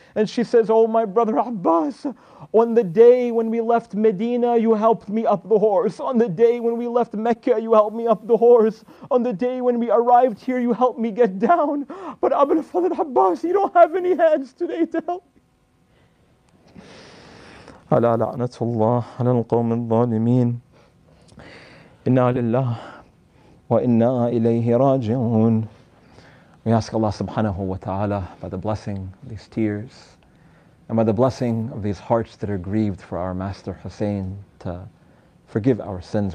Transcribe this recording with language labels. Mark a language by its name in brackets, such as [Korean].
[English] And she says, "Oh my brother Abbas, on the day when we left Medina, you helped me up the horse. On the day when we left Mecca, you helped me up the horse. On the day when we arrived here, you helped me get down. But Abu al-Fadl Abbas, you don't have any hands today to help." [Arabic] على لعنة الله على القوم الظالمين إنا لله وإنا إليه راجعون. [English] We ask Allah subhanahu wa ta'ala by the blessing of these tears and by the blessing of these hearts that are grieved for our master Hussein to forgive our sins.